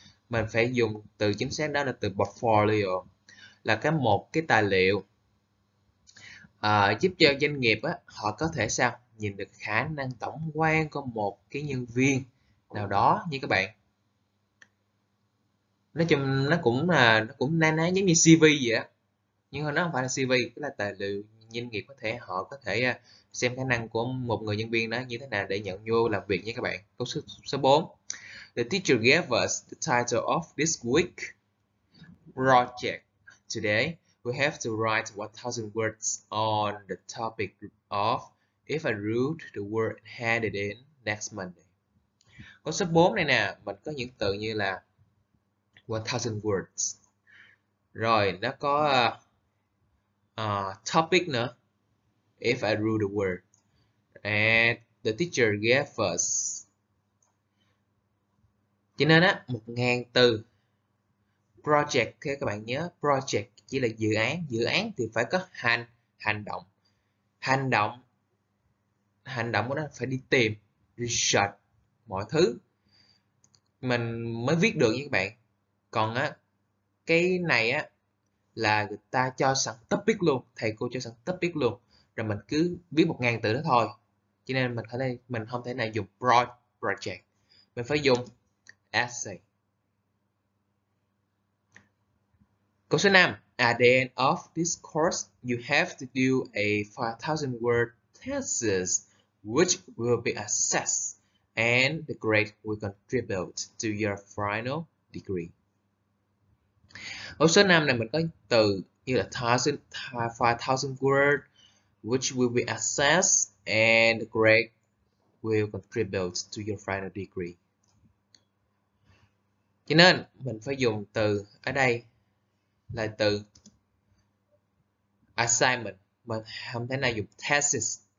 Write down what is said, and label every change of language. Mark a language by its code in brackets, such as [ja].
[vi] Mình phải dùng từ chính xác đó là từ portfolio, là cái một cái tài liệu giúp cho doanh nghiệp á, họ có thể sao nhìn được khả năng tổng quan của một cái nhân viên nào đó như các bạn. Nói chung nó cũng na ná giống như CV vậy á, nhưng mà nó không phải là CV, cái là tài liệu doanh nghiệp có thể họ có thể xem khả năng của một người nhân viên đó như thế nào để nhận vô làm việc nha các bạn. Câu số 4. [en] The teacher gave us the title of this week's project. Today, we have to write 1,000 words on the topic of if I wrote the word and handed in next Monday. [vi] Câu số 4 này nè, mình có những từ như là 1,000 words. Rồi, nó có topic nữa. [en] If I wrote the word. And the teacher gave us. [vi] Cho nên á, 1,000 từ project, các bạn nhớ, project chỉ là dự án. Dự án thì phải có hành động của nó phải đi tìm, research, mọi thứ mình mới viết được nha các bạn. Còn á, cái này á là người ta cho sẵn topic luôn, thầy cô cho sẵn topic luôn, rồi mình cứ viết 1.000 từ đó thôi. Cho nên mình phải, mình không thể nào dùng broad project, mình phải dùng essay. Câu số 5, [en] at the end of this course you have to do a 5000 word thesis which will be assessed and the grade will contribute to your final degree. [vi] Câu số 5 này mình có từ như là [en] 5000 word which will be assessed and the grade will contribute to your final degree. [vi] Cho nên mình phải dùng từ ở đây là từ assignment, mà không thể nào dùng thesis.